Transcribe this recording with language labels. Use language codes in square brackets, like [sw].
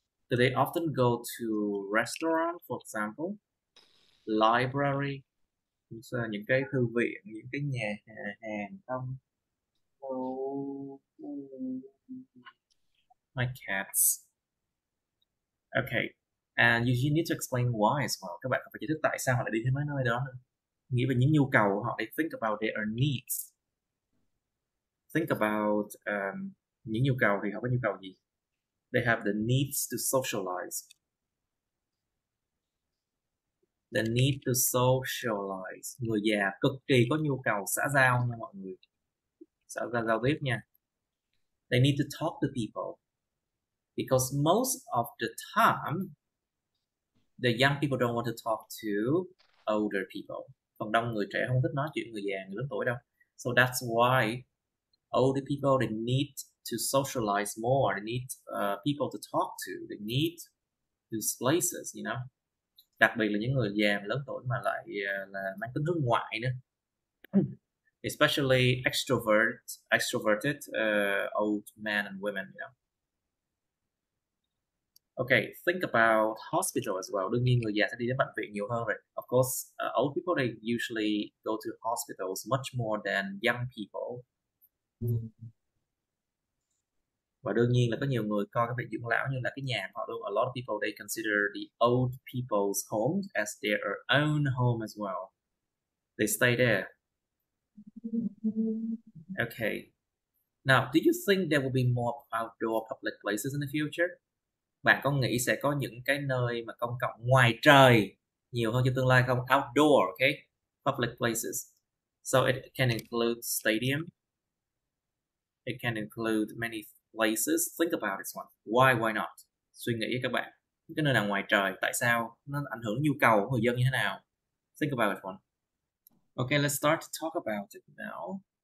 [en] Do they often go to restaurant, for example? Library? [vi] Những cái thư viện, những cái nhà hàng không? [en] My cats. Okay. And you need to explain why as well. [vi] Các bạn phải giải thích tại sao họ lại đi thêm mấy nơi đó nữa. Nghĩ về những nhu cầu của họ. [en] They think about their needs. Think about [vi] những nhu cầu thì họ có nhu cầu gì? [en] They have the needs to socialize. The need to socialize. [vi] Người già cực kỳ có nhu cầu xã giao nha mọi người. Xã giao giao tiếp nha. [en] They need to talk to people. Because most of the time, the young people don't want to talk to older people. [vi] Phần đông người trẻ không thích nói chuyện người già, người lớn tuổi đâu. [en] So that's why older people, they need to socialize more. They need people to talk to. They need these places, you know. [vi] Đặc biệt là những người già, lớn tuổi mà lại là mang tính hướng ngoại nữa. [en] Especially extroverted old men and women, you know. Okay, think about hospital as well. [vi] Đương nhiên người già sẽ đi đến bệnh viện nhiều hơn rồi. [en] Of course, old people, they usually go to hospitals much more than young people. [vi] Và đương nhiên là có nhiều người coi cái việc dưỡng lão như là cái nhà họ luôn. [en] A lot of people, they consider the old people's home as their own home as well. They stay there. Okay. Now, do you think there will be more outdoor public places in the future? [vi] Bạn có nghĩ sẽ có những cái nơi mà công cộng ngoài trời nhiều hơn trong tương lai không? [en] Outdoor, okay? Public places. So it can include stadium. It can include many places. Think about this one. Why not? [vi] Suy nghĩ các bạn. Cái nơi nào ngoài trời, tại sao? Nó ảnh hưởng nhu cầu của người dân như thế nào? [en] Think about this one. Okay, let's start to talk about it now.